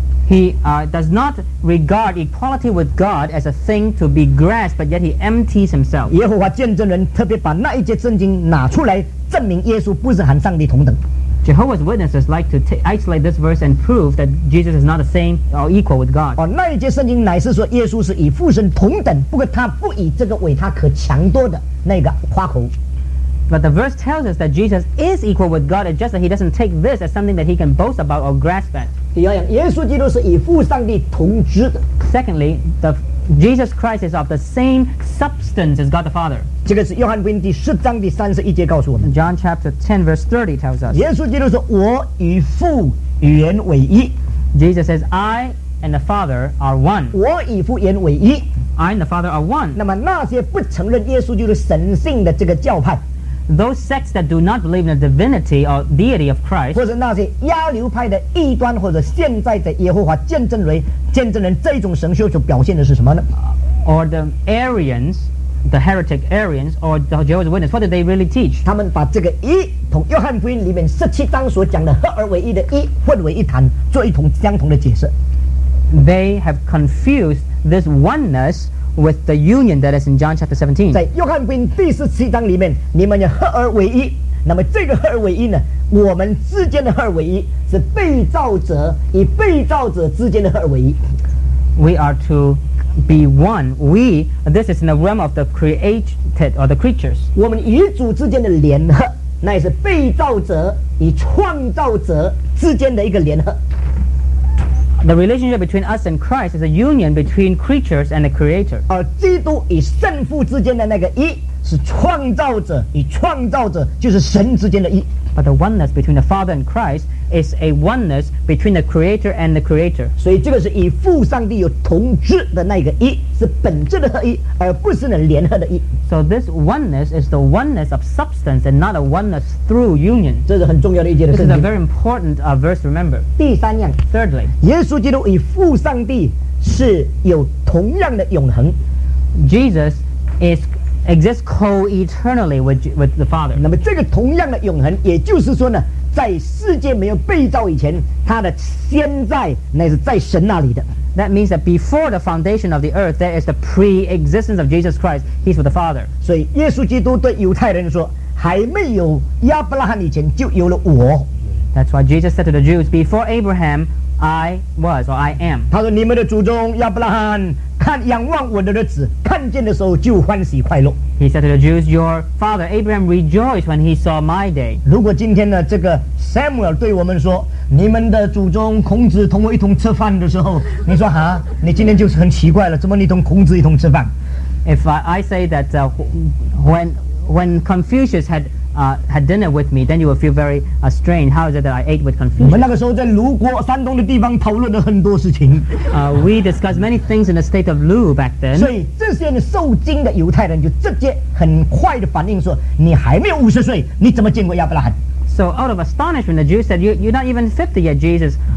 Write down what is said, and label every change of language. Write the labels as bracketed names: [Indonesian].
[English] He does not regard equality with God as a thing to be grasped, but yet he empties himself. [Chinese] 耶和华见证人特别把那一节圣经拿出来证明耶稣不是和上帝同等。 [English] Jehovah's Witnesses like to isolate this verse and prove that Jesus is not the same or equal with God. [Chinese] 那一节圣经乃是说耶稣是与父神同等，不过他不以这个为他可强夺的那个夸口。 [English] But the verse tells us that Jesus is equal with God, it's just that he doesn't take this as something that he can boast about or grasp at. [Chinese] 第二样，耶稣基督是与父上帝同质的。 [English] Secondly, Jesus Christ is of the same substance as God the Father. [Chinese] 这个是约翰福音第十章第三十一节告诉我们。 [English] John chapter 10 verse 30 tells us. [Chinese] 耶稣基督说，我与父原为一。 [English] Jesus says, I and the Father are one. [Chinese] 我与父原为一。 [English] I and the Father are one. [Chinese] 那么那些不承认耶稣基督神性的这个教派， [English] those sects that do not believe in the divinity or deity of Christ, [Chinese] 或者那些亚流派的异端，或者现在的耶和华见证人这种神学所表现的是什么呢？ [English] Or the Arians, the heretic Arians, or the Jehovah's Witness, what do they really teach? [Chinese] 他们把这个一同约翰福音里面十七章所讲的合而为一的一混为一谈，做一同相同的解释。 [English] They have confused this oneness with the union that is in John chapter 17. [Chinese] 在约翰福音第十七章里面，你们要合而为一。那么这个合而为一呢，我们之间的合而为一是被造者与被造者之间的合而为一。 [English] We are to be one. We, this is in the realm of the created or the creatures. [Chinese] 我们与主之间的联合，那也是被造者与创造者之间的一个联合。 [English] The relationship between us and Christ is a union between creatures and the Creator. [Chinese] 而基督与圣父之间的那个一，是创造者与创造者，就是神之间的一。 [English] But the oneness between the Father and Christ is a oneness between the Creator and the Creator. [Chinese] 所以这个是以父上帝有同质的那个一，是本质的合一，而不是呢联合的一。 [English] So this oneness is the oneness of substance and not a oneness through union. [Chinese] 这是很重要的一节的圣经。 [English] This is a very important verse to remember. [Chinese] 第三样, [English] Thirdly, [Chinese] 耶稣基督与父上帝是有同样的永恒。 [English] Jesus exists co-eternally with the Father. [Chinese] 那么这个同样的永恒，也就是说呢， 在世界没有被造以前， 祂的先在乃是在神那里的。 [English] That means that before the foundation of the earth, there is the pre-existence of Jesus Christ. He's with the Father. [Chinese] 所以耶稣基督对犹太人说， 还没有亚伯拉罕以前就有了我。 [English] That's why Jesus said to the Jews, before Abraham, I was or I am. [Chinese] 他说你们的祖宗亚伯拉罕， 仰望我的日子，看见的时候就欢喜快乐。 [English] He said to the Jews, your father Abraham rejoiced when he saw my day. [Chinese] 如果今天的这个Samuel对我们说， 你们的祖宗孔子同我一同吃饭的时候， 你说哈， 你今天就是很奇怪了， 怎么你同孔子一同吃饭？ [English] If I say that when Confucius had dinner with me, then you will feel very strange. How is it that I ate with Confucius? [Chinese] 我们那个时候在卢国山东的地方讨论了很多事情。 [English] We discussed many things in the state of Lu back then. [Chinese] 所以这些受惊的犹太人就直接很快地反应说， 你还没有50岁， 你怎么见过亚伯拉罕？ [English] So out of astonishment, the Jews said, you're not even 50 yet, Jesus.